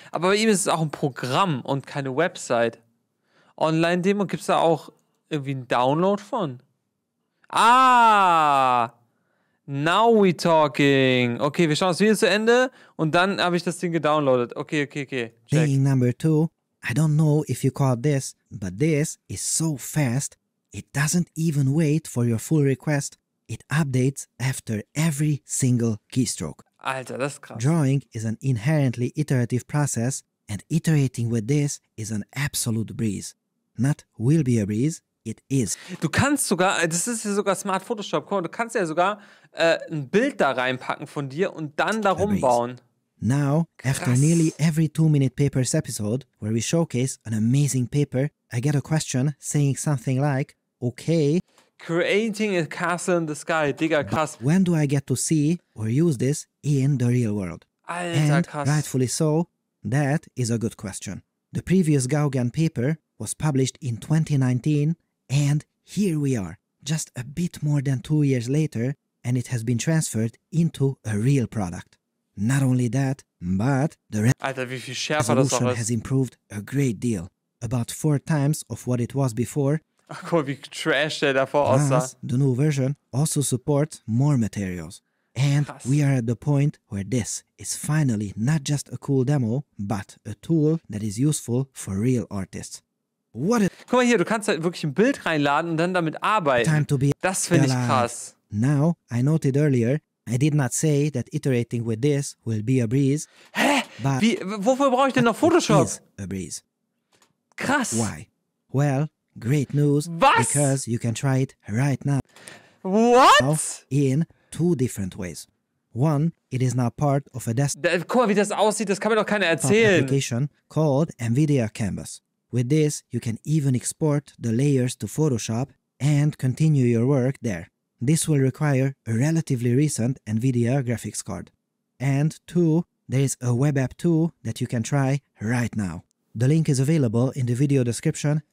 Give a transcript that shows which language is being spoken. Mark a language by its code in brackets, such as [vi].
[de] Aber bei ihm ist es auch ein Programm und keine Website. Online-Demo, gibt es da auch irgendwie einen Download von? [en] Ah! Now we talking. [de] Okay, wir schauen das Video zu Ende und dann habe ich das Ding gedownloadet. Okay, okay, okay. [en] Check. Thing number two. I don't know if you caught this, but this is so fast. It doesn't even wait for your full request. It updates after every single keystroke. [de] Alter, das ist krass. [en] Drawing is an inherently iterative process, and iterating with this is an absolute breeze. Not will be a breeze, it is. [de] Du kannst sogar, das ist ja sogar Smart Photoshop, guck mal, du kannst ja sogar ein Bild da reinpacken von dir und dann da rumbauen. [en] Now, krass. After nearly every 2-minute papers episode, where we showcase an amazing paper, I get a question saying something like, okay, creating a castle in the sky, [de] digga, krass. [en] But when do I get to see or use this in the real world? [de] Alter, [en] and [de] krass. [en] Rightfully so, that is a good question. The previous Gauguin paper was published in 2019, and here we are, just a bit more than 2 years later, and it has been transferred into a real product. Not only that, but the resolution has improved a great deal, about 4 times of what it was before. [de] Ach, guck, wie trash der davor aussah. [en] Plus, the new version also supports more materials. And krass. We are at the point where this is finally not just a cool demo, but a tool that is useful for real artists. What a... [de] Guck mal hier, du kannst halt wirklich ein Bild reinladen und dann damit arbeiten. [en] Time to be [de] das finde ich krass. [en] Now, I noted earlier, I did not say that iterating with this will be a breeze. [de] Hä? But wie, wofür brauche ich denn noch Photoshop? [en] It is a breeze. [de] Krass. [en] Why? Well... Great news. [de] Was? [en] Because you can try it right now. What? In 2 different ways. One, it is now part of a desktop. [de] Guck mal, wie das aussieht, das kann mir doch keiner erzählen. [en] Application called NVIDIA Canvas. With this, you can even export the layers to Photoshop and continue your work there. This will require a relatively recent NVIDIA graphics card. And two, there is a web app too that you can try right now. The link is available in the video description.